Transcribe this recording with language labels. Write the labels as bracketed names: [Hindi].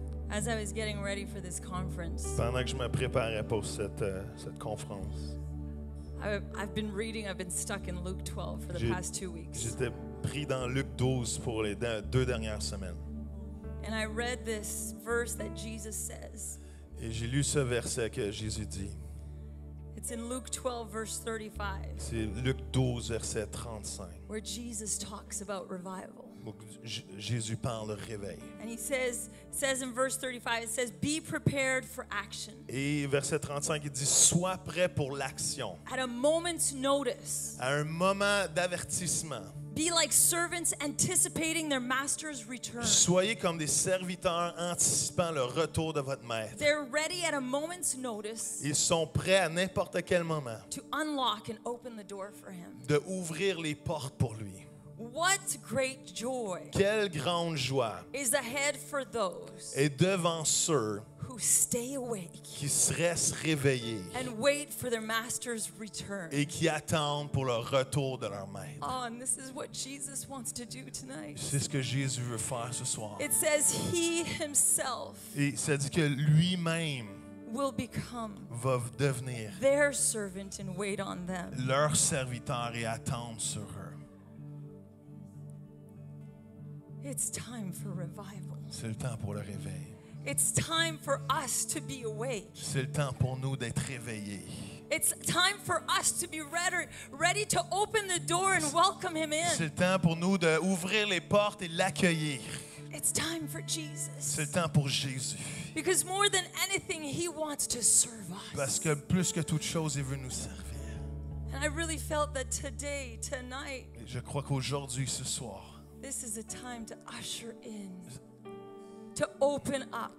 [English] As I was getting ready for this conference, [French] pendant que je me préparais pour cette conference, [English] I've been stuck in Luke 12 for the past 2 weeks. [French] J'étais pris dans Luc 12 pour les deux dernières semaines. [English] And I read this verse that Jesus says. [French] Et j'ai lu ce verset que Jésus dit. [English] It's in Luke 12, verse 35. [French] C'est Luc 12, verset 35. [English] Where Jesus talks about revival. [French] Jésus parle de réveil. [English] And he says in verse 35, it says, be prepared for action. [French] Et verset 35, il dit, sois prêt pour l'action. [English] At a moment's notice. [French] À un moment d'avertissement. [English] Be like servants anticipating their master's return. [French] Soyez comme des serviteurs anticipant le retour de votre maître. [English] They're ready at a moment's notice. [French] Ils sont prêts à n'importe quel moment. [English] To unlock and open the door for him. [French] De ouvrir les portes pour lui. [English] What great joy. [French] Quelle grande joie. [English] Is ahead for those. [French] Et devant ceux. [English] Who stay awake. [French] Qui se restent réveillés. [English] And wait for their master's return. [French] Et qui attendent pour le retour de leur maître. [English] Oh, and this is what Jesus wants to do tonight. [French] C'est ce que Jésus veut faire ce soir. [English] It says he himself. [French] Et ça dit que lui-même. [English] Will become [French] va devenir. [English] Their servant and wait on them. [French] Leur serviteur et attendre sur eux. [English] It's time for revival. [French] C'est le temps pour le réveil. [English] It's time for us to be awake. [French] C'est le temps pour nous d'être réveillés. [English] It's time for us to be ready to open the door and welcome him in. [French] C'est le temps pour nous d'ouvrir les portes et l'accueillir. [English] It's time for Jesus. [French] C'est le temps pour Jésus. [English] Because more than anything, he wants to serve us. [French] Parce que plus que toute chose, il veut nous servir. [English] And I really felt that today, tonight. [French] Et je crois qu'aujourd'hui, ce soir. [English] This is a time to usher in, to open up.